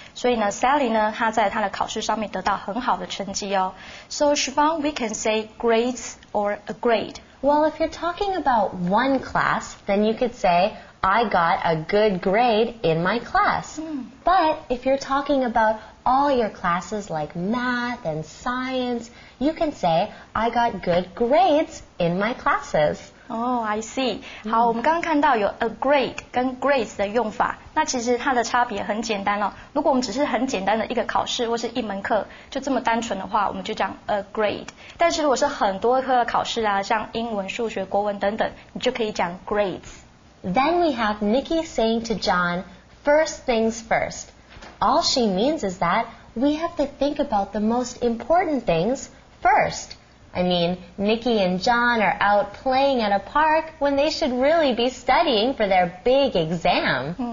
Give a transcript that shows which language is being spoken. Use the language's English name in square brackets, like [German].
[Chinese] 所以呢 ，Sally 呢，她在她的考试上面得到很好的成绩哦。 [English] So, Siobhan, we can say grades or a grade. Well, if you're talking about one class, then you could say I got a good grade in my class. But if you're talking about all your classes like math and science. You can say, I got good grades in my classes. Oh, I see. [Chinese] 好，我们刚刚看到有 a grade 跟 grades 的用法。那其实它的差别很简单哦。如果我们只是很简单的一个考试或是一门课，就这么单纯的话，我们就讲 a grade。但是如果是很多科的考试啊，像英文、数学、国文等等，你就可以讲 grades。 [English] Then we have Nikki saying to John, first things first. All she means is that we have to think about the most important things. First, I mean, Nikki and John are out playing at a park when they should really be studying for their big exam.